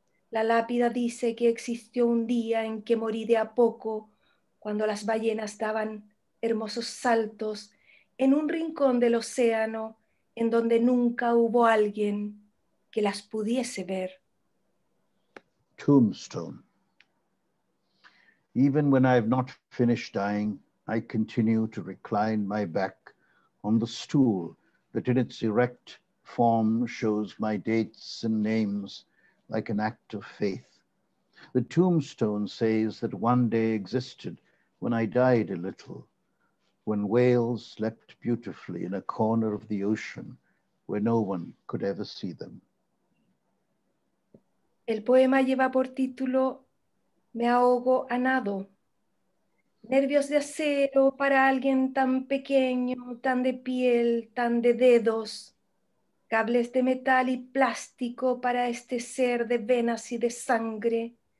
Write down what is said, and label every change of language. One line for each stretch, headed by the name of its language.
Spanish: La lápida dice que existió un día en que morí de a poco, cuando las ballenas daban hermosos saltos en un rincón del océano en donde nunca hubo alguien que las pudiese ver.
English: Tombstone. Even when I have not finished dying, I continue to recline my back on the stool that in its erect form shows my dates and names like an act of faith. The tombstone says that one day existed when I died a little, when whales slept beautifully in a corner of the ocean where no one could ever see them.
Spanish: El poema lleva por título Me ahogo a nado. Nervios de acero para alguien tan pequeño, tan de piel, tan de dedos. Cables de metal y plástico para este ser de venas y de sangre.